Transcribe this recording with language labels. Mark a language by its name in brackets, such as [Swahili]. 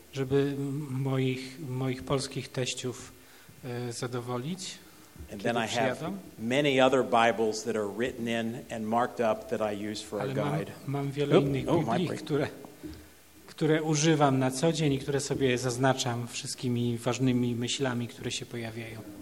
[Polish] Żeby moich polskich teściów zadowolić. [English] And then I have many other Bibles that are written in and marked up that I use for a guide. [Polish] Mam wiele innych Biblii, które używam na co dzień i które sobie zaznaczam wszystkimi ważnymi myślami, które się pojawiają.